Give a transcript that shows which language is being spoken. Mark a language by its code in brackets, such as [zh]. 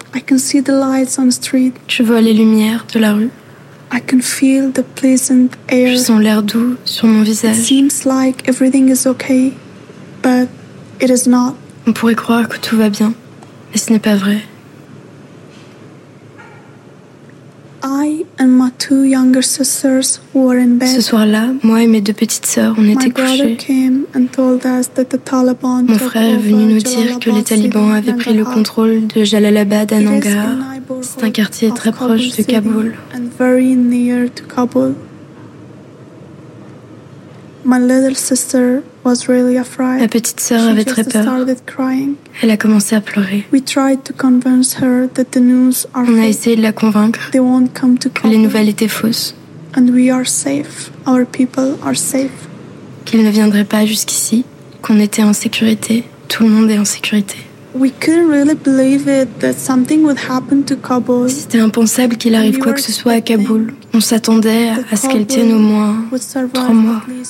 [en] I can see the lights on the street. [fr] Je vois les lumières de la rue. [en] I can feel the pleasant air. [fr] Je sens l'air doux sur mon visage. [en] It seems like everything is okay, but it is not. [fr] On pourrait croire que tout va bien, mais ce n'est pas vrai. [en] I and my two younger sisters were in bed. [fr] Ce soir-là, moi et mes deux petites sœurs, on était couchés. [en] Came and told us that the Taliban. [fr] Mon frère est venu nous dire que les talibans avaient pris le contrôle de Jalalabad à Nangarh. C'est un quartier très proche de Kaboul. [en] And very near to Kabul. My little sister was really afraid. [fr] La petite sœur avait très peur. Elle a commencé à pleurer. [en] We tried to convince her that the news are [fr] On a essayé de la convaincre [en] they won't come to [fr] que les nouvelles étaient fausses. [en] And we are safe. Our people are safe. [fr] Qu'ils ne viendraient pas jusqu'ici, qu'on était en sécurité. Tout le monde est en sécurité. [en] We couldn't really believe it that something would happen to Kabul. [fr] C'était impensable qu'il arrive quoi que ce soit à Kaboul. On s'attendait à ce qu'elle tienne au moins 3 mois.